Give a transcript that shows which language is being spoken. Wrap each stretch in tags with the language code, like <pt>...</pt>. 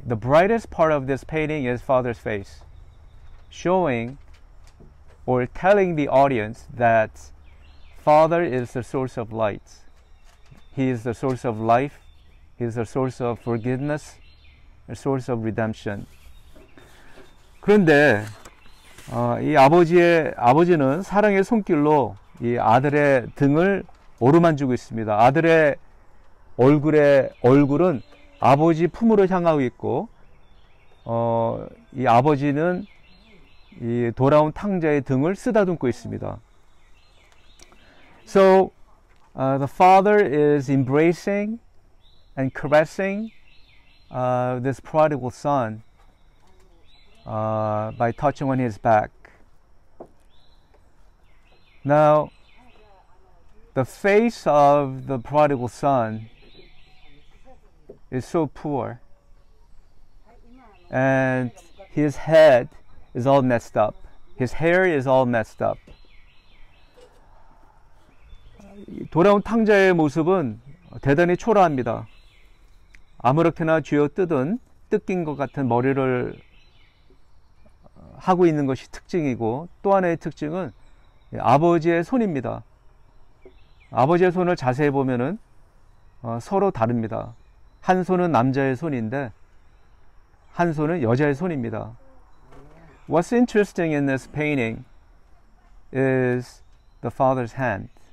<en>The brightest part of this painting is father's face, showing or telling the audience that father is the source of light. He is the source of life. He is the source of forgiveness, the source of redemption.</en> <ko>그런데 이 아버지는 사랑의 손길로 이 아들의 등을 오르만지고 있습니다. 아들의 얼굴은 아버지 품으로 향하고 있고, 이 아버지는 이 돌아온 탕자의 등을 쓰다듬고 있습니다.</ko> <en>So, the father is embracing and caressing this prodigal son by touching on his back. Now, the face of the prodigal son is so poor, and his head is all messed up. His hair is all messed up.</en> <ko>돌아온 탕자의 모습은 대단히 초라합니다. 아무렇게나 쥐어 뜯은, 뜯긴 것 같은 머리를 하고 있는 것이 특징이고, 또 하나의 특징은 아버지의 손입니다. 아버지의 손을 자세히 보면은 서로 다릅니다. 한 손은 남자의 손인데 한 손은 여자의 손입니다.</ko> <en>What's interesting in this painting is the father's hand.</en>